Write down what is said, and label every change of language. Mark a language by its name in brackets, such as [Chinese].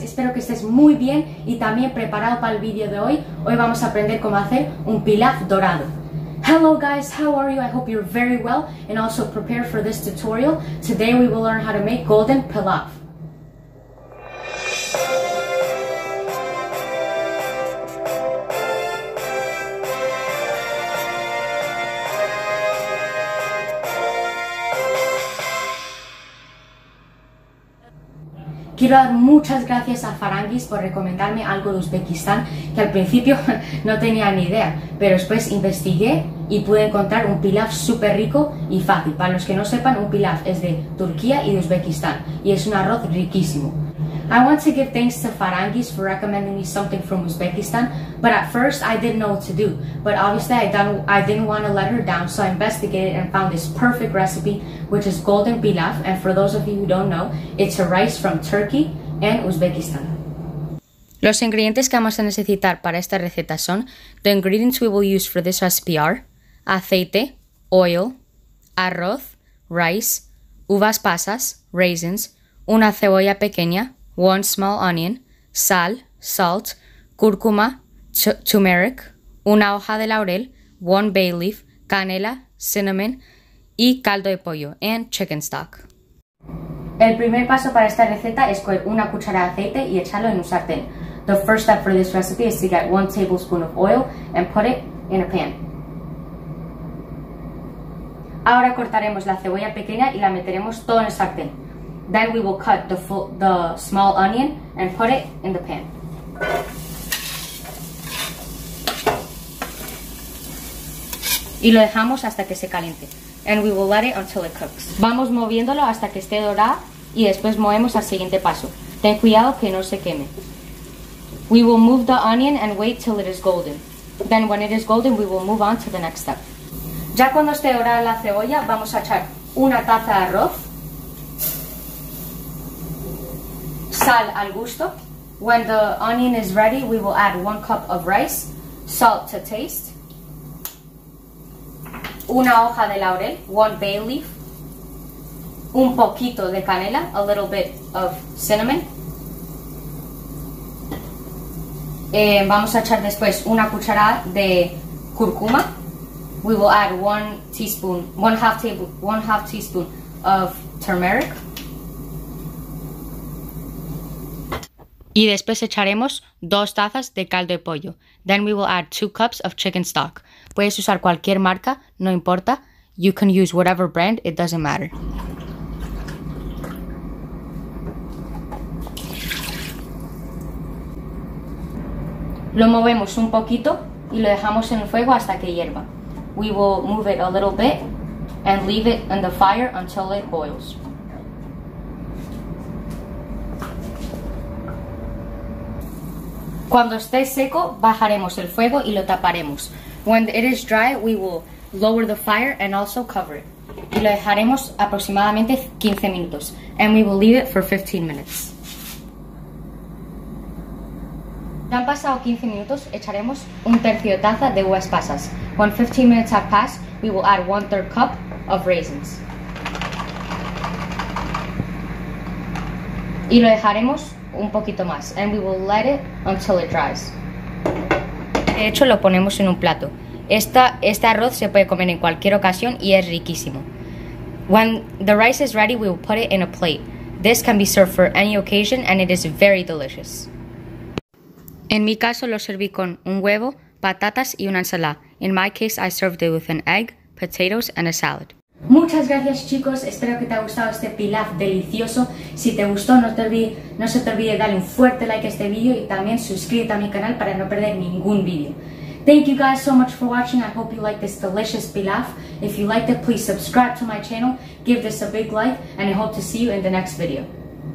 [Spanish] Espero que estéis muy bien y también preparado para el vídeo de hoy. Hoy vamos a aprender cómo hacer un pilaf dorado. [English] Hello guys, how are you? I hope you're very well and also prepared for this tutorial. Today we will learn how to make golden pilaf. [Spanish] Quiero dar muchas gracias a Farangis por recomendarme algo de Uzbekistán que al principio no tenía ni idea, pero después investigué y pude encontrar un pilaf súper rico y fácil. Para los que no sepan, un pilaf es de Turquía y de Uzbekistán y es un arroz riquísimo. [English] I want to give thanks to Farangis for recommending me something from Uzbekistan, but at first I didn't know what to do. But obviously I didn't want to let her down, so I investigated and found this perfect recipe, which is golden pilaf. And for those of you who don't know, it's a rice from Turkey and Uzbekistan. [Spanish] Los ingredientes que vamos a necesitar para esta receta son: [English] the ingredients we will use for this recipe are [Spanish] aceite, oil, arroz, rice, uvas pasas, raisins, una cebolla pequeña, [English] one small onion, [Spanish] sal, salt, cúrcuma, turmeric, una hoja de laurel, [English] one bay leaf, [Spanish] canela, cinnamon, y caldo de pollo, [English] and chicken stock. [Spanish] El primer paso para esta receta es coger una cuchara de aceite y echarlo en un sartén. [English] The first step for this recipe is to get one tablespoon of oil and put it in a pan. [Spanish] Ahora cortaremos la cebolla pequeña y la meteremos todo en el sartén. [English] Then we will cut the small onion and put it in the pan. [Spanish] Y lo dejamos hasta que se caliente. [English] And we will let it until it cooks. [Spanish] Vamos moviéndolo hasta que esté dorado y después movemos al siguiente paso. Ten cuidado que no se queme. [English] We will move the onion and wait till it is golden. Then when it is golden, we will move on to the next step. [Spanish] Ya cuando esté dorada la cebolla, vamos a echar una taza de arroz, sal al gusto. [English] When the onion is ready, we will add one cup of rice, salt to taste, [Spanish] una hoja de laurel, [English] one bay leaf, [Spanish] un poquito de canela, [English] a little bit of cinnamon. [Spanish] Vamos a echar después una cucharada de cúrcuma. [English] We will add one half teaspoon of turmeric. [Spanish] Y después echaremos dos tazas de caldo de pollo. [English] Then we will add 2 cups of chicken stock. [Spanish] Puedes usar cualquier marca, no importa. [English] You can use whatever brand, it doesn't matter. [Spanish] Lo movemos un poquito y lo dejamos en el fuego hasta que hierva. [English] We will move it a little bit and leave it in the fire until it boils. [Spanish] Cuando esté seco, bajaremos el fuego y lo taparemos. [English] When it is dry, we will lower the fire and also cover it. [Spanish] Y lo dejaremos aproximadamente 15 minutos. [English] And we will leave it for 15 minutes. [Spanish] Ya han pasado 15 minutos, echaremos un tercio de taza de uvas pasas. [English] When 15 minutes have passed, we will add 1/3 cup of raisins. [Spanish] Y lo dejaremos un poquito más, [English] and we will let it until it dries. [Spanish] De hecho, lo ponemos en un plato. Este arroz se puede comer en cualquier ocasión y es riquísimo. [English] When the rice is ready, we will put it in a plate. This can be served for any occasion and it is very delicious. [Spanish] En mi caso, lo serví con un huevo, patatas y una ensalada. [English] In my case, I served it with an egg, potatoes and a salad. [Spanish] Muchas gracias chicos, espero que te haya gustado este pilaf delicioso. Si te gustó, no se te olvide darle un fuerte like a este vídeo y también suscríbete a mi canal para no perder ningún vídeo. [English] Thank you guys so much for watching, I hope you like this delicious pilaf. If you liked it, please subscribe to my channel, give this a big like, and I hope to see you in the next video.